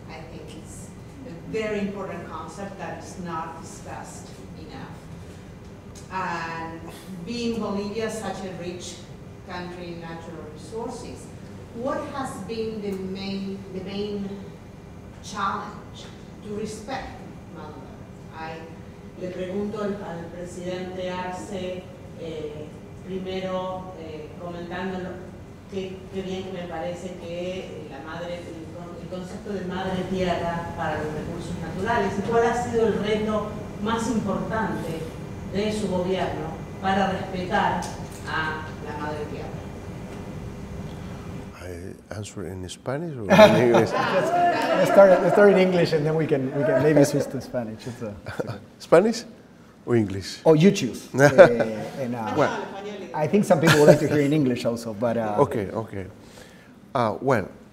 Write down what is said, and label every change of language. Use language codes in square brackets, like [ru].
[en] I think it's a very important concept that is not discussed enough. And being Bolivia such a rich country in natural resources, what has been the main challenge to respect Mother Earth? [es] I le pregunto al presidente Arce. Primero, comentando qué bien me parece que la madre, el concepto de madre tierra para los recursos naturales, y cuál ha sido el reto más importante de su gobierno para respetar a la madre tierra. [en] Answer in Spanish or in English? let's start in English and then we can maybe switch to Spanish. Spanish? Or English? Oh, you choose. I think some people would like to hear in English also, but... Okay. Well,